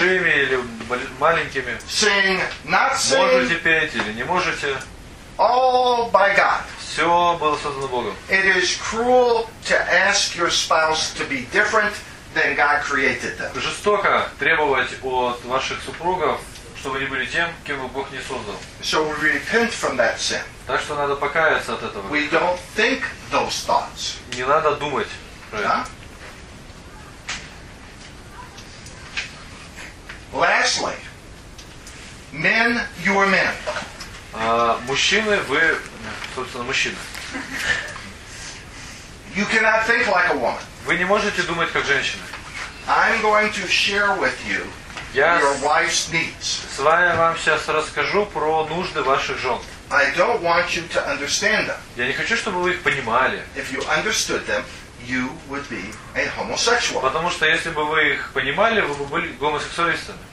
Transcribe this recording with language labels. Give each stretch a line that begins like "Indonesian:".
Russian: Большими или маленькими.
English: Sing, not sing.
Russian: Можете петь или не можете.
English: All by God.
Russian: Все было создано Богом.
English: It is cruel to ask your spouse to be different than God created them.
Russian: Жестоко требовать от ваших супругов, чтобы они были тем, кем Бог не создал.
English: So we repent from that sin.
Russian: Так что надо покаяться от этого.
English: We don't think those thoughts.
Russian: Не надо думать про это.
English: Lastly, men, you are men.
Russian: Мужчины, вы, собственно, мужчины.
English: You cannot think like a woman.
Russian: Вы не можете думать как женщина.
English: I'm going to share with you your wife's needs.
Russian: С вами вам сейчас расскажу про нужды ваших жен.
English: I don't want you to understand them.
Russian: Я не хочу, чтобы вы их понимали.
English: If you understood them, you would be a homosexual.
Russian: Потому что если бы вы их понимали, вы бы были гомосексуалистами.